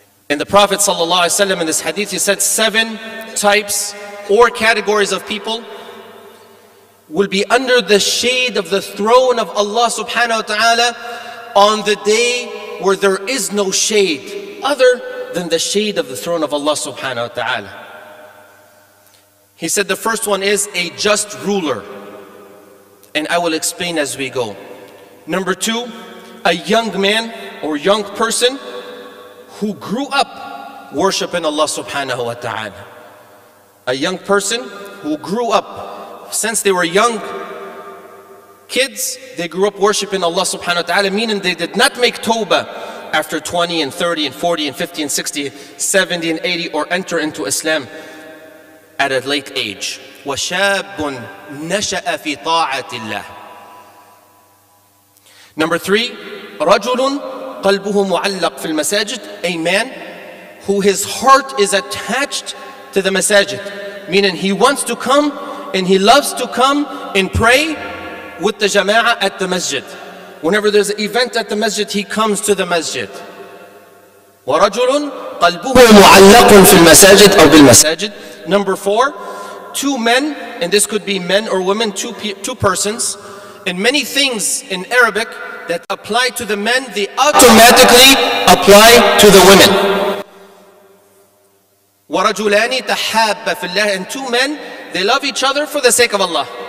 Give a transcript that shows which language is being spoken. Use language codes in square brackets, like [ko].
[en] In the Prophet sallallahu alaihi wasallam in this hadith, he said seven types or categories of people will be under the shade of the throne of Allah subhanahu wa ta'ala on the day where there is no shade other than the shade of the throne of Allah subhanahu wa ta'ala. He said the first one is a just ruler. And I will explain as we go. Number two, a young man or young person who grew up worshiping Allah subhanahu wa ta'ala. A young person who grew up, since they were young kids, they grew up worshiping Allah subhanahu wa ta'ala, meaning they did not make tawbah after 20 and 30 and 40 and 50 and 60, 70 and 80, or enter into Islam at a late age. [ar] وَشَابٌ نَشَأَ فِي طَاعَةِ اللَّهِ [en] Number three, [ar] رجل قلبه معلق في المساجد, [en] a man who his heart is attached to the masajid, meaning he wants to come and he loves to come and pray with the jama'ah at the masjid. Whenever there's an event at the masjid, he comes to the masjid. [ar] ورجل قلبه معلق في المساجد أو بالمساجد. [en] Number four, two men, and this could be men or women, two persons, and many things in Arabic that apply to the men, they automatically apply to the women. [ar] وَرَجُلَانِ تَحَابَّ فِي اللَّهِ [en] And two men, they love each other for the sake of Allah.